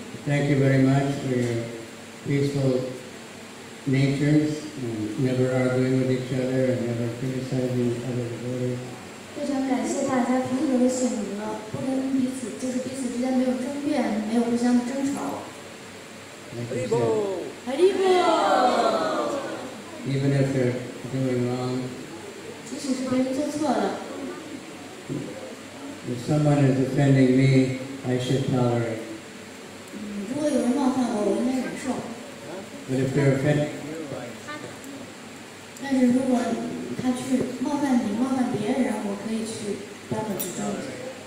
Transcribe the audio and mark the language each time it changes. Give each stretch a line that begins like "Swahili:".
English: Thank you very much for your peaceful natures and never arguing with each other and never criticizing each other's devotees.
Chinese: 非常感谢大家平等的选择，不跟彼此，就是彼此之间没有争辩，没有互相的争吵。
English: Haribo! Even if they're doing wrong,
Chinese: 即使是别人做错了，
English: if someone is offending me, I should tolerate.
Chinese: 如果有人冒犯我，我应该忍受。
English: But if they're offended,
Chinese: 但是如果他去冒犯你，冒犯别人，我可以去单独去争取。